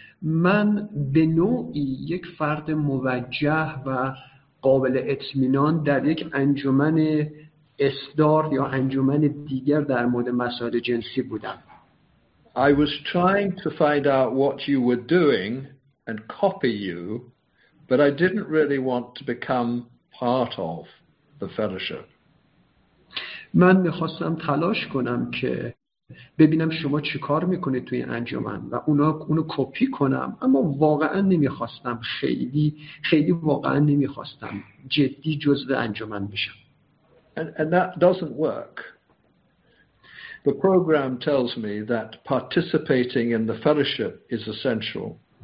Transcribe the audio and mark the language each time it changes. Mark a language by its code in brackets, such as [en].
[fa] من به نوعی یک فرد موجه و قابل اطمینان در یک انجمن اصدار یا انجمن دیگر در مورد مسائل جنسی بودم. [en] I was trying to find out what you were doing and copy you, but I didn't really want to become part of the fellowship. [fa] من می‌خواستم تلاش کنم که ببینم شما چی کار میکنید توی انجمن و اونو کپی کنم، اما واقعا نمیخواستم خیلی واقعا نمیخواستم جدی جزء انجمن بشم. [en] And that doesn't work. The program tells me that participating in the fellowship is essential.